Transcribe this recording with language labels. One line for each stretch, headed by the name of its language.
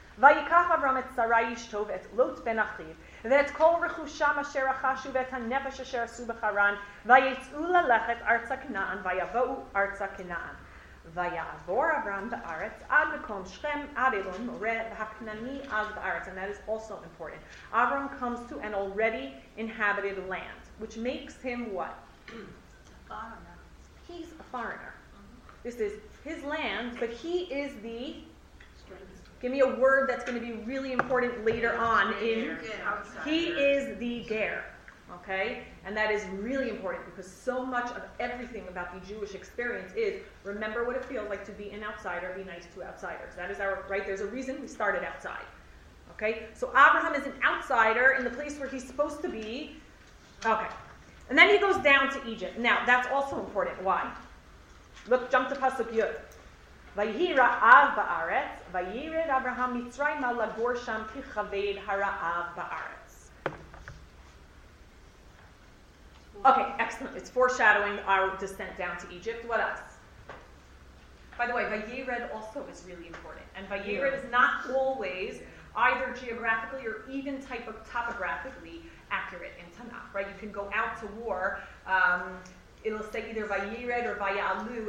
Hebrew: Vayikach Avram et Sarai ishto v'et Lot ben achiv, ואת כל רכושם אשר רכשו ואת הנפש אשר עשו בחרן, ויצאו ללכת ארצה כנען, ויבואו ארצה כנען. ויעבור אברהם בארץ עד מקום שכם, עד אלון מורה, והכנעני אז בארץ.
English: And that is also important. Avram comes to an already inhabited land, which makes him what? A foreigner. He's a foreigner. Mm-hmm. This is his land, but he is the... Give me a word that's going to be really important later on. He is the ger, okay? And that is really important because so much of everything about the Jewish experience is, remember what it feels like to be an outsider, be nice to outsiders. That is our, right? There's a reason we started outside, okay? So Abraham is an outsider in the place where he's supposed to be. Okay. And then he goes down to Egypt. Now, that's also important. Why? Look, jump to Pasuk Yud.
Hebrew: ויהי רעב בארץ, וירד אברהם מצרימה לגור שם ככבד הרעב בארץ.
English: Okay, excellent. It's foreshadowing our descent down to Egypt. What else? By the way, וירד also is really important. And וירד is not always either geographically or even topographically accurate in Tanakh, right? You can go out to war. It'll say either Vayered or Vayalu.